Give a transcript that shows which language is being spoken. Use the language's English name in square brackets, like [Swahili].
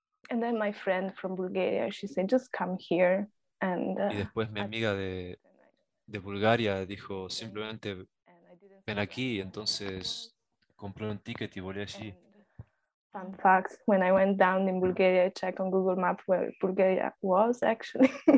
[English] And then my friend from Bulgaria, she said, just come here. And, [Spanish] y después mi amiga de Bulgaria dijo, simplemente ven aquí. Entonces compré un ticket y volé allí. [English] Fun fact, when I went down in Bulgaria, I checked on Google Maps where Bulgaria was actually.